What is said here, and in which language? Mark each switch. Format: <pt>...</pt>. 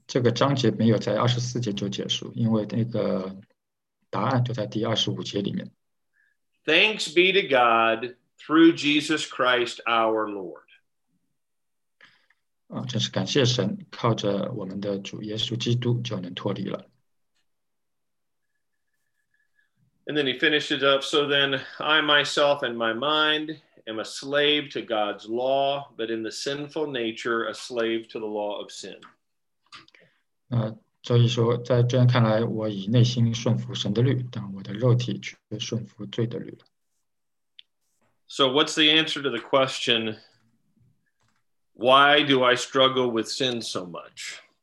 <zh>非常高兴这个章节没有在24节就结束, 因为那个答案就在第25节里面。</zh> <en>Thanks be to God through Jesus Christ our Lord.</en> <zh>真是感谢神, 靠着我们的主耶稣基督就能脱离了。</zh> <en>And then he finishes up, so then I myself in my mind am a slave to God's law, but in the sinful nature, a slave to the law of sin.</en> <zh>所以说,在这样看来,我以内心顺服神的律,但我的肉体却顺服罪的律。</zh> <en>So what's the answer to the question, why do I struggle with sin so much?</en>